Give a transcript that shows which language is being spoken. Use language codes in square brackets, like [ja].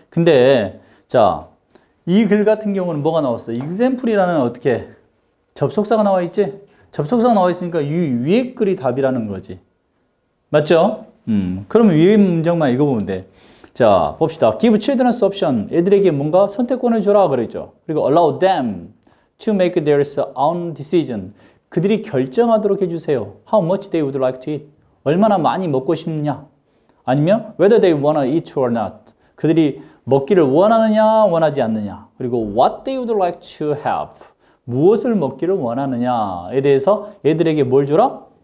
[ko] 근데, 자, 이글 같은 경우는 뭐가 나왔어? Example이라는 어떻게? 접속사가 나와 있지? 접속사가 나와 있으니까 이 위에 글이 답이라는 거지. 맞죠? 그럼 위에 문장만 읽어보면 돼. 자, 봅시다. [en] Give children's option. [ko] 애들에게 뭔가 선택권을 주라 그랬죠. 그리고 [en] allow them to make their own decision. [ko] 그들이 결정하도록 해주세요. [en] How much they would like to eat. [ko] 얼마나 많이 먹고 싶냐? 아니면 [en] whether they wanna eat or not. [ko] 그들이 먹기를 원하느냐, 원하지 않느냐. 그리고 [en] what they would like to have. [ko] 무엇을 먹기를 원하느냐에 대해서 애들에게 뭘 줘라?